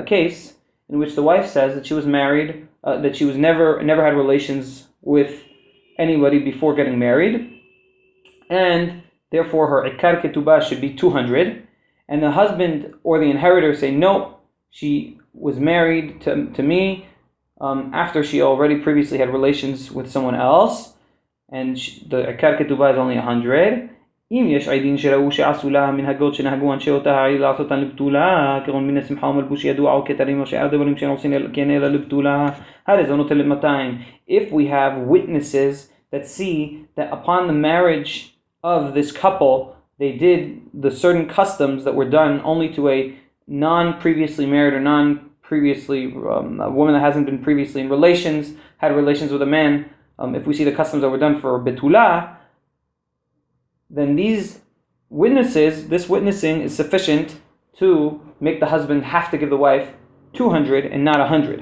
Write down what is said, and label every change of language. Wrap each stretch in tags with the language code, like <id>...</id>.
<en>A case in which the wife says that she was married, that she was never had relations with anybody before getting married, and therefore her ikar ketubah should be 200, and the husband or the inheritor say, no, she was married to me after she already previously had relations with someone else, and the ikar ketubah is only 100.</en> <he>אם יש עדים שראו שעשו לה מנהגות שנהגו אנשי אותה העיר לעשותן לבטולה, כגון מן השמחה ומלבוש ידוע או כתרים או שאר דברים שהם עושים כן אלא לבטולה, הרי זה נוטל למתיים.</he> <en>If we have witnesses that see that upon the marriage of this couple, they did the certain customs that were done only to a non-previously married or non-previously, a woman that hasn't been previously in relations, had relations with a man, if we see the customs that were done for betula, then these witnesses, this witnessing is sufficient to make the husband have to give the wife 200 and not 100.</en>